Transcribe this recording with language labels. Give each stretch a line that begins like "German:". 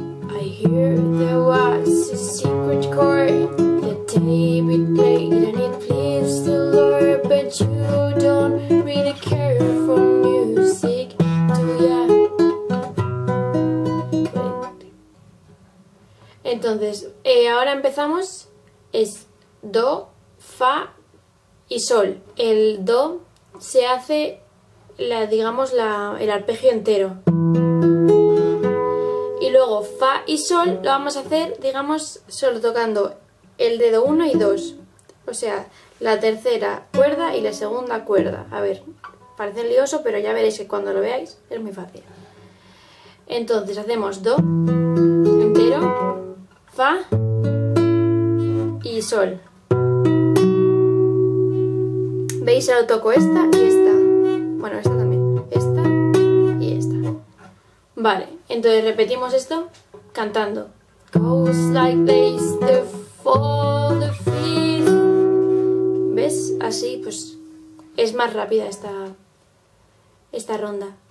English: I hear there was a secret chord that David played and it pleased the Lord, but you don't really care for music, do ya?
Spanish: Entonces, ahora empezamos. Es do, fa y sol. El do se hace el arpegio entero. Y luego fa y sol lo vamos a hacer, digamos, solo tocando el dedo 1 y 2. O sea, la tercera cuerda y la segunda cuerda. A ver, parece lioso, pero ya veréis que cuando lo veáis es muy fácil. Entonces hacemos do entero, fa y sol. ¿Veis? Solo toco esta y esta. Bueno, esta también. Esta y esta. Vale, entonces repetimos esto cantando.
English: Goes like this, the fall, the fifth.
Spanish: ¿Ves? Así, pues, es más rápida esta ronda.